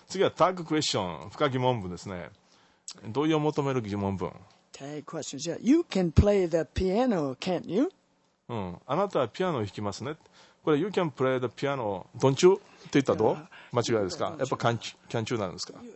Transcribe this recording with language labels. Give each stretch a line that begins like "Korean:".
Japanese: 次はタグクエスチョン、深疑問文ですね。どういう求める疑問文。
English: Tag questions. Yeah. You can play the piano, can't you?
Japanese: あなたはピアノを弾きますね。これ
English: You can play the piano, don't you?
Japanese: って言ったらどう？間違いですか？やっぱ
English: can't you
Japanese: なんですか？